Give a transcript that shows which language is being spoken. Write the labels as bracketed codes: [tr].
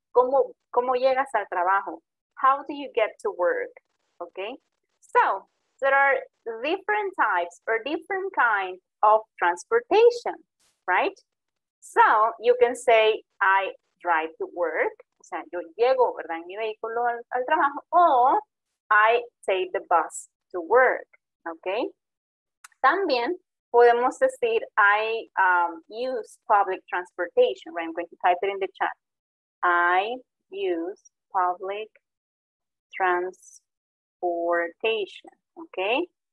[es] ¿Cómo llegas al trabajo? [en] How do you get to work? Okay? So, there are different types or different kinds of transportation, right? So, you can say, I drive to work. [es] O sea, yo llego, ¿verdad? En mi vehículo al trabajo. [en] O, I take the bus to work, okay? [es] También podemos decir, [en] I use public transportation, right? I'm going to type it in the chat. I use public transportation, okay?